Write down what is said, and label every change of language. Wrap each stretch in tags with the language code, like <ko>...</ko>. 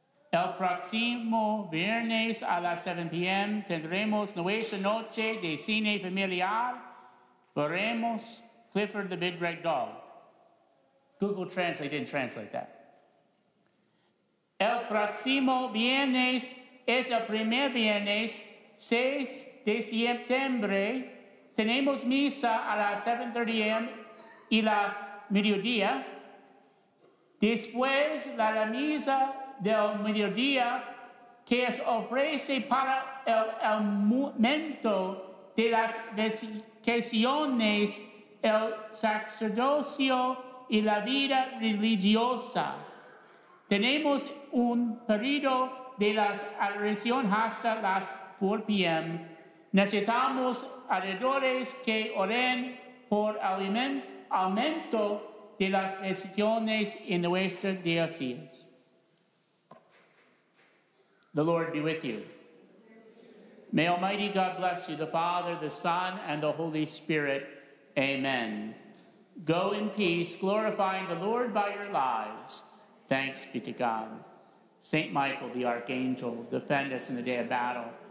<es>El próximo viernes a las 7 p.m. tendremos nuestra noche de cine familiar. Veremos</es> <en>Clifford the Big Red Dog. Google Translate didn't translate that.</en> <es>El próximo viernes es el primer viernes, 6 de septiembre. Tenemos misa a las 7:30 a.m. y la mediodía. Después de la misa del mediodía, que se ofrece para el momento de las vocaciones, el sacerdocio y la vida religiosa. Tenemos un periodo de las adoraciones hasta las 4 p.m. Necesitamos adoradores que oren por el aumento de las decisiones en nuestra diócesis.</es> <en>The Lord be with you. May Almighty God bless you, the Father, the Son, and the Holy Spirit. Amen. Go in peace, glorifying the Lord by your lives. Thanks be to God. Saint Michael, the Archangel, defend us in the day of battle.</en>